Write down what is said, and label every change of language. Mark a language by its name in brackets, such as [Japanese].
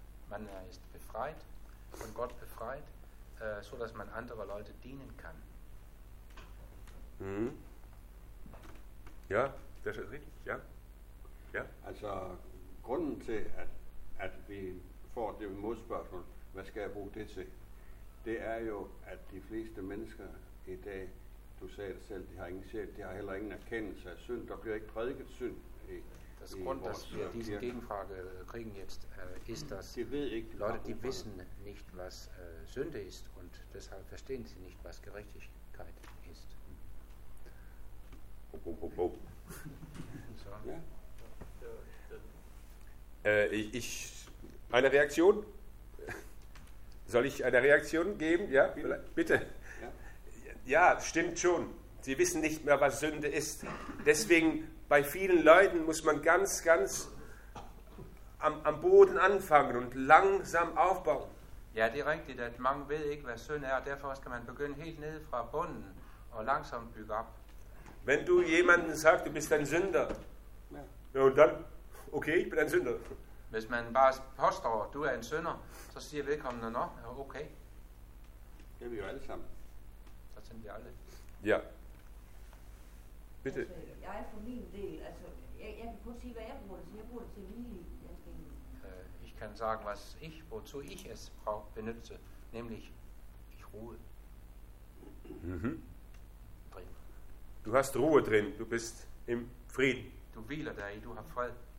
[German] Man ist befreit, von Gott befreit, so dass man andere Leute dienen kann. Ja, das ist richtig, ja. Ja. [Danish] Also grunden til, at vi får det modspørgsmål, hvad skal jeg bruge det til, det er jo, at de fleste mennesker i dag, du sagde det selv, de har ingen sjæl, de har heller ingen erkendelse af synd, der bliver ikke prædiket synd i vores kirke. [German] Grund, dass wir diesen Gegenfragekriegen jetzt, ist, dass Leute, die wissen nicht, was Sünde ist, und deshalb verstehen sie nicht, was Gerechtigkeit ist. So. Ja. Eine Reaktion? Soll ich eine Reaktion geben? Ja, bitte. Ja, stimmt schon. Sie wissen nicht mehr, was Sünde ist. Deswegen, bei vielen Leuten muss man ganz, ganz am Boden anfangen und langsam aufbauen. [Danish] Ja, det er rigtigt, at mange ved ikke, hvad Sünde er, derfor skal man begynde helt ned fra bunden og langsam bygge op. [German] Wenn du jemanden sagst, du bist ein Sünder, ja, und dann... Okay, ich bin ein Sünder. [Danish] Hvis man bare påstår, at du er en synder, så siger vedkommende, nå, okay. Det er vi jo alle sammen. Så tænker vi aldrig. Ja. Bitte. Altså, jeg er for min del, altså, jeg kan prøve sige, hvad jeg bruger det til. Jeg bruger det til lige, [German] Ich kann sagen, was ich, wozu ich es brauche, benutze, nämlich ich ruhe. Drin. Du hast Ruhe drin, du bist im Frieden. [Danish] Du wieler der, [German] du hast Fred.